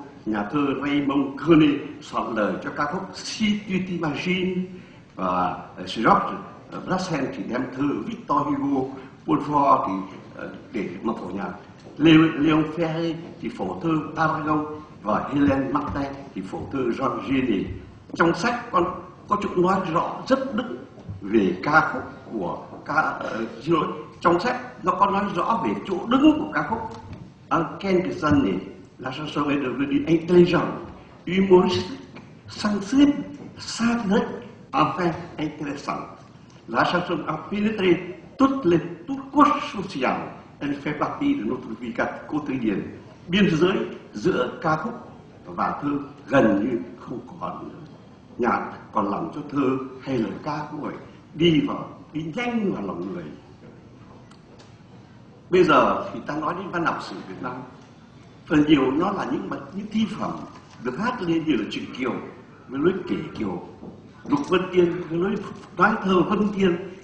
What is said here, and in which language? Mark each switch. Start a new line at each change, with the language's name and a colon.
Vietnamese: Nhà thơ Raymond Queneau soạn lời cho ca khúc Si tu t'imagines, và Georges Brassens thì đem thơ Victor Hugo, Beaufort thì để mà phổ nhạc, Léon Ferré thì phổ thơ Paragon, và Hélène Martin thì phổ thơ Jean Genet. Trong sách con có chữ nói rõ rất đúng về ca khúc của ca Giroud. Trong sách nó có nói rõ về chỗ đứng của ca khúc.
French: En quelques années, la chanson est devenue intelligente, humoristique, sensible, sacrée, enfin intéressante. La chanson a pénétré toutes les couches sociales. Elle fait partie de notre vie quotidienne.
Vietnamese: Biên giới giữa ca khúc và thơ gần như không còn nữa. Nhạc còn làm cho thơ hay lời ca của người đi vào, đi nhanh vào lòng người. Bây giờ thì ta nói đến văn học sử Việt Nam, phần nhiều nó là những bậc những thi phẩm được hát lên như là chuyện Kiều với lối kể Kiều, Lục Vân Tiên với lối nói thơ Vân Tiên.